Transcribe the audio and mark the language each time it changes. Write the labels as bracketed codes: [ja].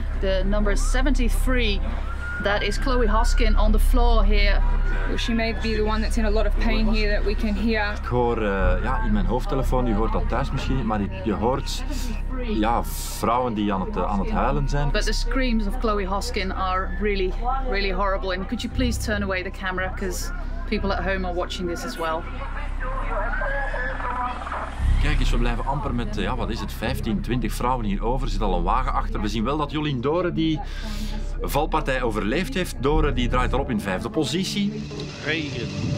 [en] The number 73, that is Chloe Hoskin on the floor here. She may be the one that's in a lot of pain here that we can hear. [nl] Ik hoor in mijn hoofdtelefoon, je hoort dat thuis misschien, maar je hoort vrouwen die aan het huilen zijn. [en] But the screams of Chloe Hoskin are really, really horrible. And could you please turn away the camera because people at home are watching this as well. [nl] Kijk eens, we blijven amper met 15, 20 vrouwen hier over. Er zit al een wagen achter. We zien wel dat Jolien Dore die valpartij overleefd heeft. Dore die draait erop in vijfde positie. Regen.